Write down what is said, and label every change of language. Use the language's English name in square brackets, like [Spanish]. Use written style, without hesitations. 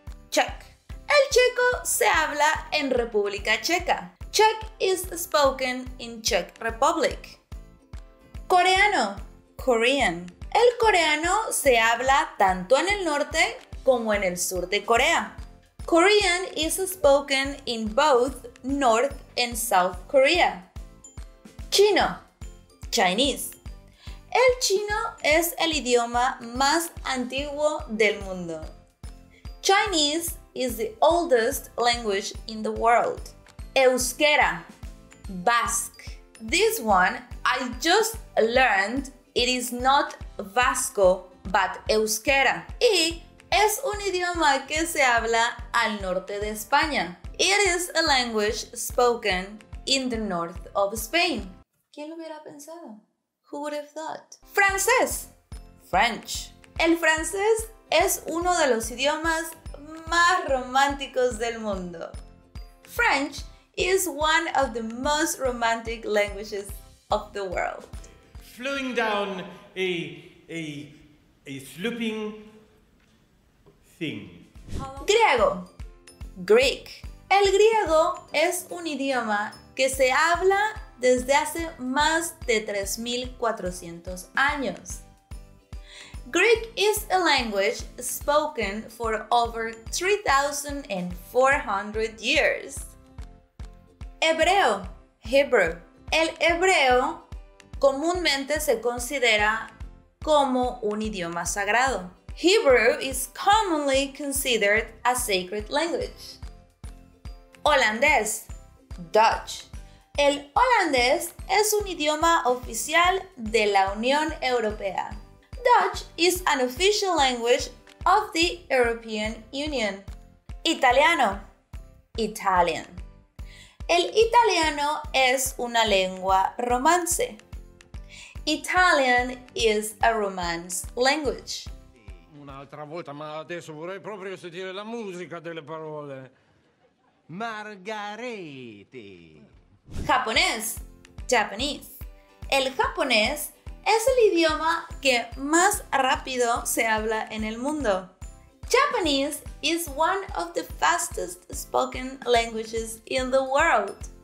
[Spanish] Czech. El checo se habla en República Checa. [English] Czech is spoken in Czech Republic. Coreano. Korean. [Spanish] El coreano se habla tanto en el norte como en el sur de Corea. [English] Korean is spoken in both North and South Korea. [Spanish] Chino. [English] Chinese. [Spanish] El chino es el idioma más antiguo del mundo. [English] Chinese is the oldest language in the world. [Spanish] Euskera. [English] Basque. This one I just learned, it is not Vasco, but Euskera. [Spanish] Y es un idioma que se habla al norte de España. [English] It is a language spoken in the north of Spain. [Spanish] ¿Quién lo hubiera pensado? [English] Who would have thought? [Spanish] ¡Francés! [English] French. [Spanish] El francés es uno de los idiomas más románticos del mundo. [English] French is one of the most romantic languages of the world. Flowing down a slooping thing. [Spanish] Griego. [English] Greek. [Spanish] El griego es un idioma que se habla desde hace más de 3,400 años. [English] Greek is a language spoken for over 3,400 years. Hebreo. Hebrew. [Spanish] El hebreo comúnmente se considera como un idioma sagrado. [English] Hebrew is commonly considered a sacred language. Holandés. Dutch. [Spanish] El holandés es un idioma oficial de la Unión Europea. [English] Dutch is an official language of the European Union. [Spanish] Italiano. [English] Italian. [Spanish] El italiano es una lengua romance. [English] Italian is a romance language. [Italian] Un'altra volta, ma adesso vorrei proprio sentire la musica delle parole. Margarete. [Spanish] Japonés. Japanese. El japonés es el idioma que más rápido se habla en el mundo. [English] Japanese is one of the fastest spoken languages in the world.